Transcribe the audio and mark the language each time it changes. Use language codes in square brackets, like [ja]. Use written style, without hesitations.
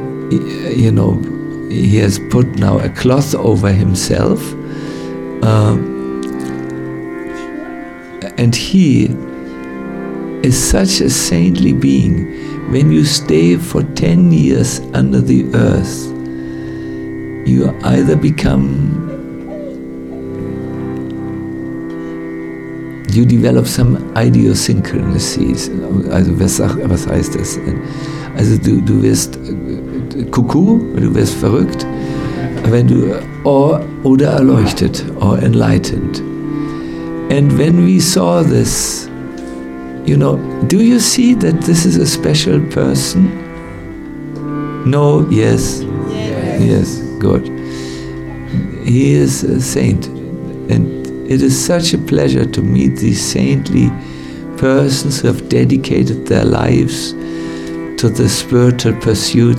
[en] You know, he has put now a cloth over himself, and he is such a saintly being. When you stay for 10 years under the earth, you either become, you develop some idiosyncrasies. [de] Also, was heißt das? Also, du wirst Cuckoo, du wirst verrückt, wenn du oder erleuchtet, [en] or enlightened. And when we saw this, you know, do you see that this is a special person? No, yes. Yes. Yes, good. He is a saint. And it is such a pleasure to meet these saintly persons who have dedicated their lives to the spiritual pursuit.